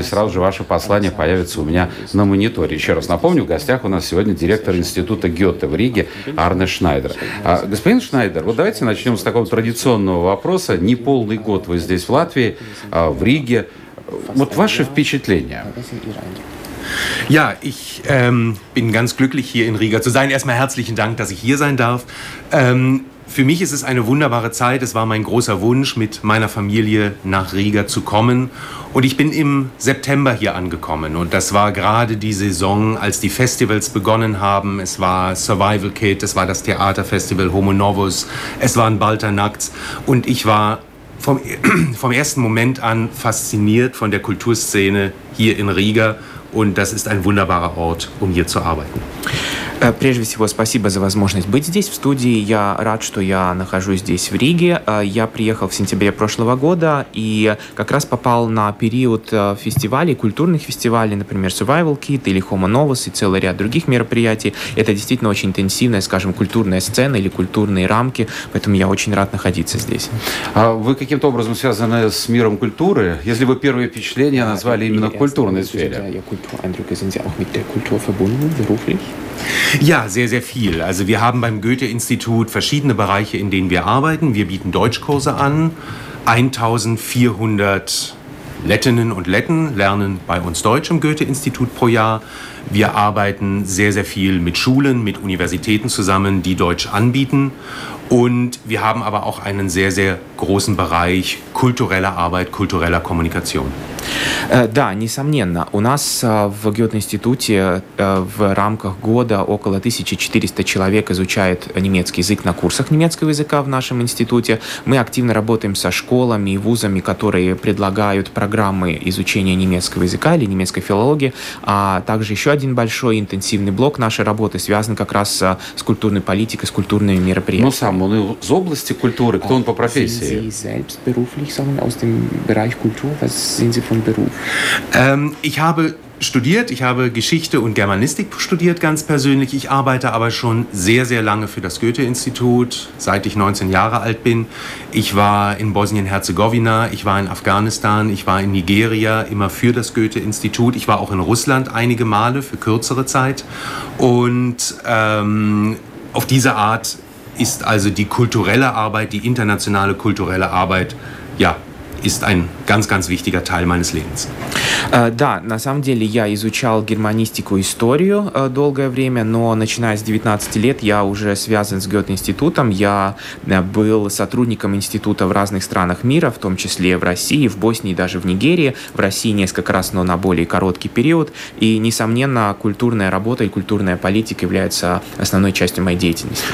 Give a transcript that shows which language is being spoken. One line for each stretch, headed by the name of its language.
Russian: Сразу же ваше послание появится у меня на мониторе. Еще раз напомню, в гостях у нас сегодня директор института Гёте в Риге Арне Шнайдер. Господин Шнайдер, вот давайте начнем с такого традиционного вопроса. Не полный год вы здесь в Латвии, а в Риге. Вот ваши впечатления?
German: Ja, ich bin ganz glücklich, hier in Riga zu sein. Erstmal herzlichen Dank, dass ich hier sein darf. Für mich ist es eine wunderbare Zeit. Es war mein großer Wunsch, mit meiner Familie nach Riga zu kommen. Und ich bin im September hier angekommen. Und das war gerade die Saison, als die Festivals begonnen haben. Es war Survival Kit, es war das Theaterfestival Homo Novus, es waren Balta Nacht. Und ich war vom ersten Moment an fasziniert von der Kulturszene hier in Riga. Und das ist ein wunderbarer Ort, um hier zu arbeiten.
Russian: Прежде всего, спасибо за возможность быть здесь, в студии. Я рад, что я нахожусь здесь, в Риге. Я приехал в сентябре прошлого года и как раз попал на период фестивалей, культурных фестивалей, например, Survival Kit или Homo Novus и целый ряд других мероприятий. Это действительно очень интенсивная, скажем, культурная сцена или культурные рамки, поэтому я очень рад находиться здесь. А вы каким-то образом связаны с миром культуры? Если вы первые впечатления назвали именно в культурной сфере. Я культуроэндрюк, извините,
German: auch mit der Kultur verbunden, beruflich? Ja, sehr, sehr viel. Also wir haben beim Goethe-Institut verschiedene Bereiche, in denen wir arbeiten. Wir bieten Deutschkurse an. 1400 Lettinnen und Letten lernen bei uns Deutsch im Goethe-Institut pro Jahr. Wir arbeiten sehr, sehr viel mit Schulen, mit Universitäten zusammen, die Deutsch anbieten. Und wir haben aber auch einen sehr, sehr großen Bereich kultureller Arbeit, kultureller Kommunikation.
Russian: Да, несомненно. У нас в Гёте-институте в рамках года около 1400 человек изучает немецкий язык на курсах немецкого языка в нашем институте. Мы активно работаем со школами и вузами, которые предлагают программы изучения немецкого языка или немецкой филологии. А также еще один большой интенсивный блок нашей работы связан как раз с культурной политикой, с культурными мероприятиями. Ну, сам он из области культуры. Кто он по профессии?
German: Sind Sie selbst beruflich, sagen wir, aus dem Bereich Kultur? Was sind Sie von Beruf? Ich habe studiert, ich habe Geschichte und Germanistik studiert, ganz persönlich. Ich arbeite aber schon sehr, sehr lange für das Goethe-Institut, seit ich 19 Jahre alt bin. Ich war in Bosnien-Herzegowina, ich war in Afghanistan, ich war in Nigeria, immer für das Goethe-Institut. Ich war auch in Russland einige Male für kürzere Zeit. Und auf diese Art ist also die kulturelle Arbeit, die internationale kulturelle Arbeit, ja, ist ein ganz, ganz wichtiger Teil meines Lebens.
Russian: Да, на самом деле я изучал германистику и историю долгое время, но начиная с 19 лет я уже связан с Гёте-институтом. Я был сотрудником института в разных странах мира, в том числе в России, в Боснии, даже в Нигерии. В России несколько раз, но на более короткий период. И, несомненно, культурная работа и культурная политика являются основной частью моей деятельности.